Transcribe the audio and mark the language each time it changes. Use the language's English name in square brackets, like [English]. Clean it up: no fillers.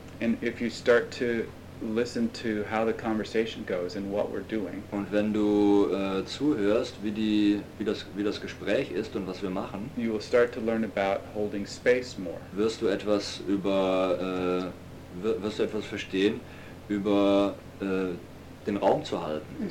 [English] And if you start to listen to how the conversation goes and what we're doing. [German] Und wenn du zuhörst, wie das Gespräch ist und was wir machen, [English] you will start to learn about holding space more. [German] Wirst du etwas über wirst du etwas verstehen über den Raum zu halten.